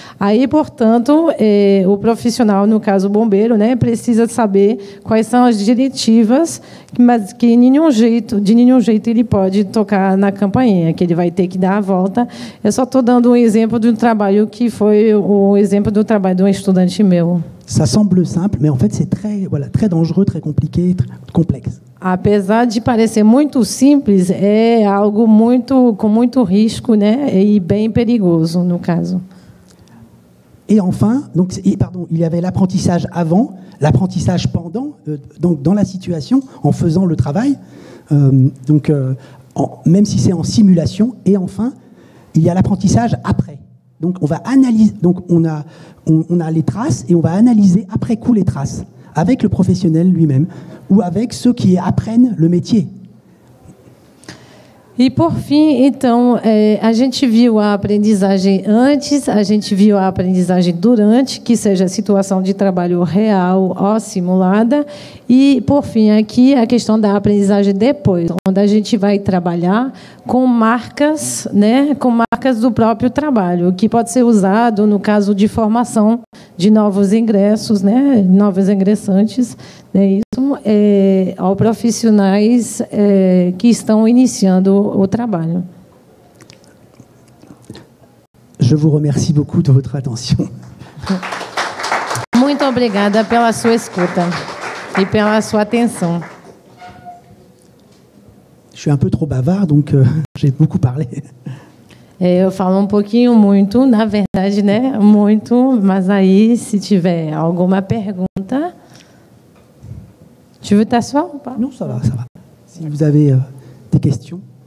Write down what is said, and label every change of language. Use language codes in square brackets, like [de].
[pt] Aí, portanto, o profissional, no caso o bombeiro, né, precisa saber quais são as diretivas, mas que de nenhum jeito ele pode tocar na campainha, que ele vai ter que dar a volta. Eu só estou dando um exemplo de um trabalho que foi o exemplo do trabalho de um estudante meu. [fr] Ça semble simple, mais en fait c'est très, voilà, très dangereux, très compliqué, très complexe. [pt] Apesar de parecer muito simples, é algo muito com muito risco, né, e bem perigoso no caso. [fr] Et enfin, donc, pardon, il y avait l'apprentissage avant, l'apprentissage pendant, donc dans la situation, en faisant le travail, même si c'est en simulation. Et enfin, il y a l'apprentissage après. Donc on va analyser, donc on a les traces et on va analyser après coup les traces, avec le professionnel lui-même ou avec ceux qui apprennent le métier. [pt] E, por fim, então, a gente viu a aprendizagem antes, a gente viu a aprendizagem durante, que seja a situação de trabalho real ou simulada. E, por fim, aqui, a questão da aprendizagem depois, onde a gente vai trabalhar com marcas, né, com marcas do próprio trabalho, que pode ser usado no caso de formação de novos ingressos, né, novos ingressantes, né, isso, aos profissionais que estão iniciando o trabalho. [fr] Je vous remercie beaucoup de votre attention. [pt] muito obrigada pela sua escuta e pela sua atenção. [fr] Je suis un peu trop bavard, donc j'ai beaucoup parlé. [pt] Eu falo um pouquinho muito, na verdade, né? Muito, mas aí, se tiver alguma pergunta... [fr] Tu veux t'asseoir ou pas? Non, ça va, ça va. Si vous avez des questions.